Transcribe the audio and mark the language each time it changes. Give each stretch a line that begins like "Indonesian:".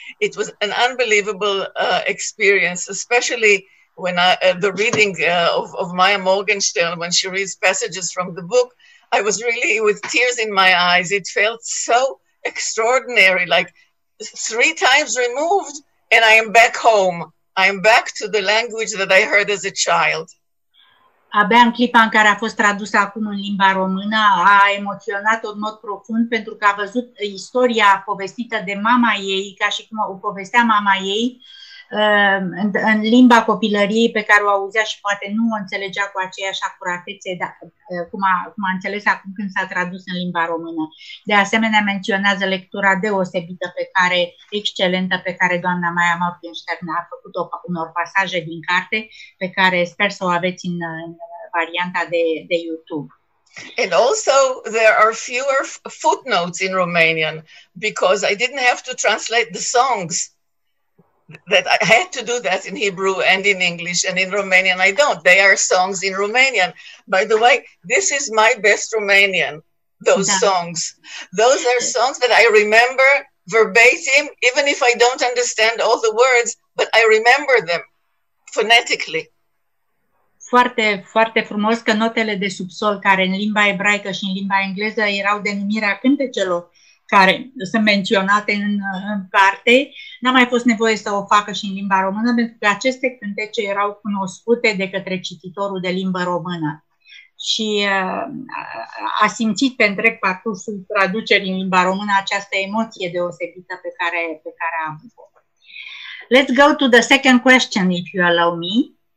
English: It was an unbelievable experience, especially when I the reading of Maya Morgenstern, when she reads passages from the book. I was really with tears in my eyes. It felt so extraordinary, like three times removed, and I am back home. I am back to the language that I heard as a child.
Romanian: Abia în clipa în care a fost tradusă acum în limba română, a emoționat-o în mod profund pentru că a văzut istoria povestită de mama ei, ca și cum o povestea mama ei, în limba copilăriei pe care o auzea și poate nu o înțelegea cu aceeași acuratețe, cum a înțeles acum când s-a tradus în limba română. De asemenea, menționează lectura deosebită, excelentă, pe care doamna Maya Morgenstern a făcut-o unor pasaje din carte, pe care sper să o aveți în varianta de YouTube.
English: And also there are fewer footnotes in Romanian because I didn't have to translate the songs. That I had to do that in Hebrew and in English and in Romanian. I don't. They are songs in Romanian. By the way, this is my best Romanian, those songs. Those are songs that I remember verbatim, even if I don't understand all the words, but I remember them phonetically.
Romanian: Foarte, foarte frumos că notele de subsol care în limba ebraică și în limba engleză erau denumirea cântecelor care sunt menționate în carte, n-a mai fost nevoie să o facă și în limba română, pentru că aceste cântece erau cunoscute de către cititorul de limbă română. Și a simțit pe întreg parcursul traducerii în limba română această emoție deosebită pe care a avut-o.
English: Let's go to the second question, if you allow me.